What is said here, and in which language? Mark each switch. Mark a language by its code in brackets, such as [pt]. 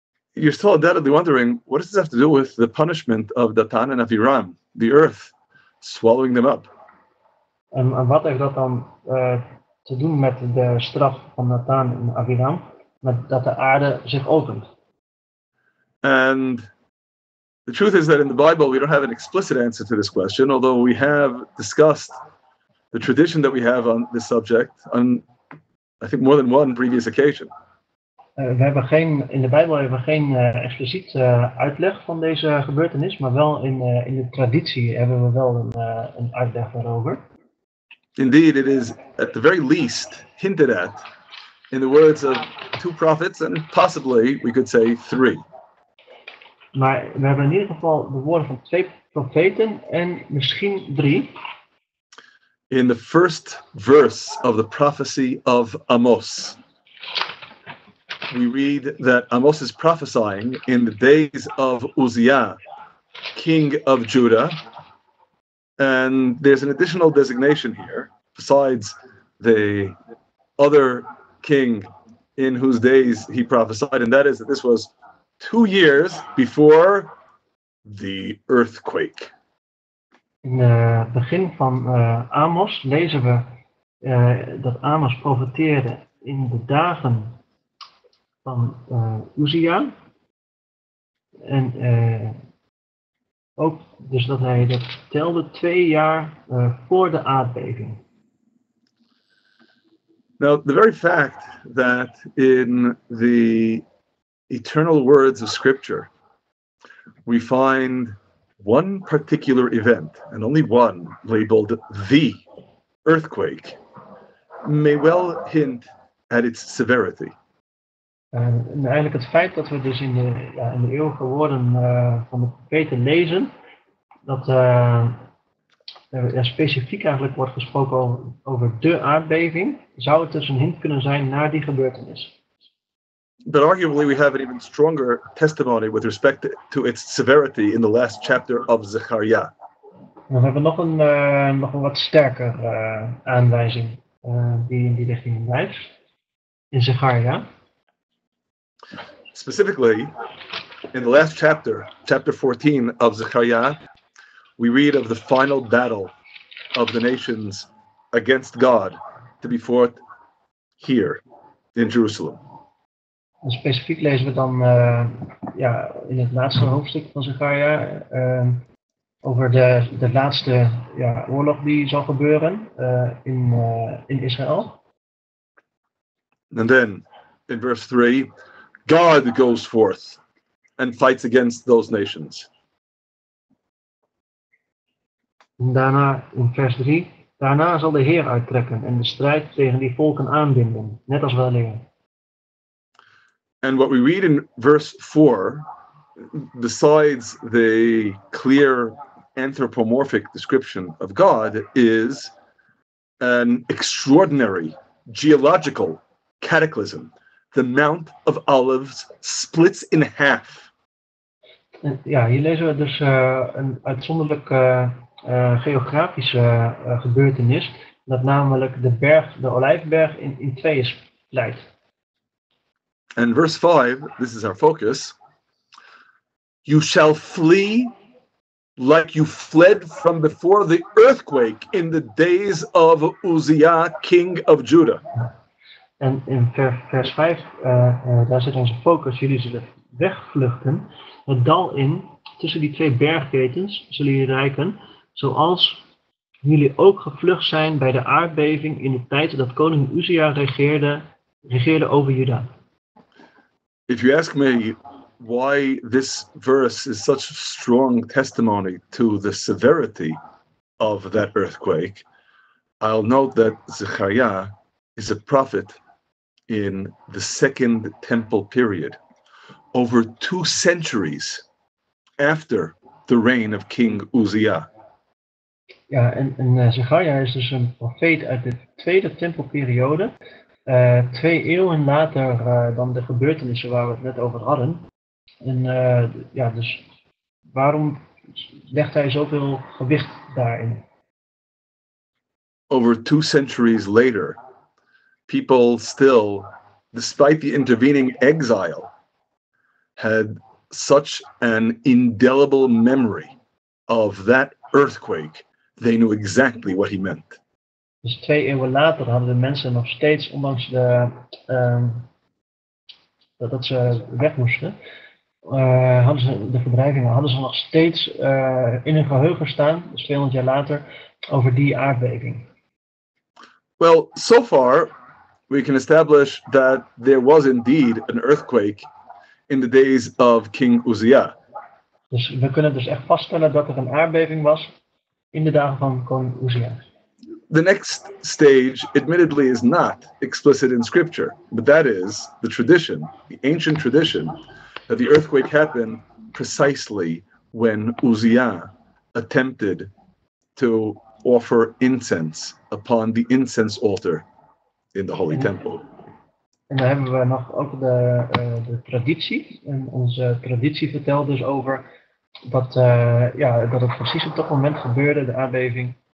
[en] You're still undoubtedly wondering, what does this have to do with the punishment of Datan and Aviram, the earth, swallowing them up? [nl] En wat heeft dat dan te doen met de straf van Datan en Aviram, met dat de aarde zich opent? [en] And the truth is that in the Bible we don't have an explicit answer to this question, although we have discussed the tradition that we have on this subject on, I think, more than one previous occasion. [nl] In de Bijbel hebben we geen expliciet uitleg van deze gebeurtenis, maar wel in de traditie hebben we wel een uitleg daarover. [en] Indeed, it is at the very least hinted at in the words of two prophets, and possibly we could say three. [nl] Maar we hebben in ieder geval de woorden van twee profeten en misschien drie. [en] In the first verse of the prophecy of Amos, we read that Amos is prophesying in the days of Uzziah, king of Judah. And there's an additional designation here, besides the other king in whose days he prophesied, and that is that this was 2 years before the earthquake. [nl] In the begin van Amos lezen we dat Amos profeteerde in de dagen van Uzziah. En ook dus dat hij dat telde 2 jaar voor de aardbeving. [en] Now, the very fact that in the eternal words of Scripture we find one particular event, and only one, labeled the earthquake, may well hint at its severity. [nl] En eigenlijk het feit dat we dus in de eeuwige woorden van de profeten lezen, dat er specifiek eigenlijk wordt gesproken over de aardbeving, zou het dus een hint kunnen zijn naar die gebeurtenis. [en] But arguably we have an even stronger testimony with respect to its severity in the last chapter of Zechariah. [nl] We hebben nog een wat sterker aanwijzing die in die richting blijft, in Zechariah. [en] Specifically, in the last chapter, chapter 14 of Zechariah, we read of the final battle of the nations against God to be fought here in Jerusalem. [nl] En specifiek lezen we dan in het laatste hoofdstuk van Zechariah over de laatste oorlog die zal gebeuren in Israël. [en] And then, in verse 3, God goes forth and fights against those nations. [nl] Daarna, in vers 3, daarna zal de Heer uittrekken en de strijd tegen die volken aanbinden, net als weleer. [en] And what we read in verse 4, besides the clear anthropomorphic description of God, is an extraordinary geological cataclysm. The Mount of Olives splits in half. [nl] Ja, hier lezen we dus een uitzonderlijk geografische gebeurtenis, dat namelijk de Olijfberg in twee is splijt. [en] And verse 5, this is our focus. You shall flee like you fled from before the earthquake in the days of Uzziah, king of Judah. [nl] En in vers 5, daar zit onze focus. Jullie zullen wegvluchten, het dal in, tussen die twee bergketens zullen jullie rijken, zoals jullie ook gevlucht zijn bij de aardbeving in de tijd dat koning Uzia regeerde over Juda. [en] If you ask me why this verse is such a strong testimony to the severity of that earthquake, I'll note that Zechariah is a prophet in the Second Temple period, over two centuries after the reign of King Uzziah. [nl] Ja, en Zechariah is dus een profeet uit de Tweede Tempelperiode, twee eeuwen later dan de gebeurtenissen waar we het net over hadden. En ja, dus waarom legt hij zoveel gewicht daarin? [en] Over two centuries later, people still, despite the intervening exile, had such an indelible memory of that earthquake, they knew exactly what he meant. [nl] Dus twee eeuwen later hadden de mensen nog steeds, ondanks de, dat ze weg moesten, hadden ze de verdrijvingen, hadden ze nog steeds in hun geheugen staan, dus 200 jaar later, over die aardbeving. [en] Well, so far we can establish that there was indeed an earthquake in the days of King Uzziah. [nl] Dus we kunnen dus echt vaststellen dat er een aardbeving was in de dagen van koning Uzziah. [en] The next stage, admittedly, is not explicit in scripture, but that is the tradition, the ancient tradition, that the earthquake happened precisely when Uzziah attempted to offer incense upon the incense altar in the Holy Temple. [nl] En dan hebben we nog ook de traditie. En onze traditie vertelt dus over dat, ja, dat het precies op dat moment gebeurde, de aardbeving.